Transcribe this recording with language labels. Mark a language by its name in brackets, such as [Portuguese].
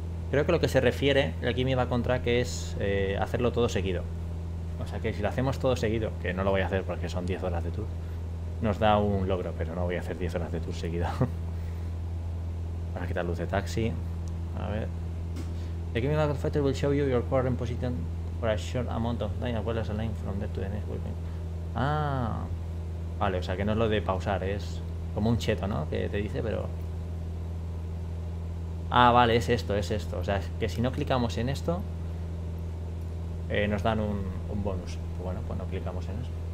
[Spanish] Creo que lo que se refiere, aquí me va contra, que es hacerlo todo seguido. O sea que si lo hacemos todo seguido, que no lo voy a hacer porque son 10 horas de tour, nos da un logro, pero no voy a hacer 10 horas de tour seguido. Vamos a quitar luz de taxi. A ver. [English] The Give Me Back Factor will show you your current position for a short amount of time as well as a line from there to the next weapon. Ah. [Spanish] Vale, o sea que no es lo de pausar, es como un cheto, ¿no? Que te dice, pero. Ah, vale, es esto. O sea, es que si no clicamos en esto, nos dan un bonus. Bueno, pues no clicamos en eso.